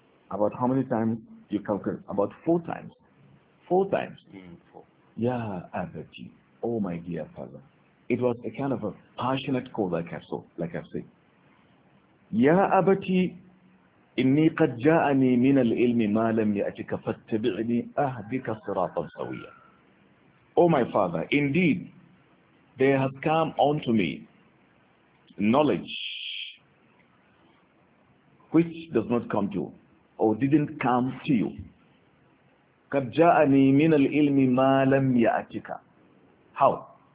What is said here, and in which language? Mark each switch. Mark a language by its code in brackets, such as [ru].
[en] About how many times you calculate? About four times. Four times. Mm-hmm. [ar] Ya abati, [en] oh my dear father. It was a kind of a passionate call, like I saw, like I've said. [ar] Ya abati, إِنِّي قَدْ جَاءَنِي مِنَ الْإِلْمِ مَا لَمْ يَأْتِكَ فَاتَّبِعْنِي أَهْدِكَ صِرَاطًا سَوِيًّا. [en] Oh my father, indeed, there has come unto me knowledge which does not come to you, or didn't come to you. [ar] قَدْ جَاءَنِي مِنَ الْإِلْمِ مَا لَمْ يَأْتِكَ. [en] How?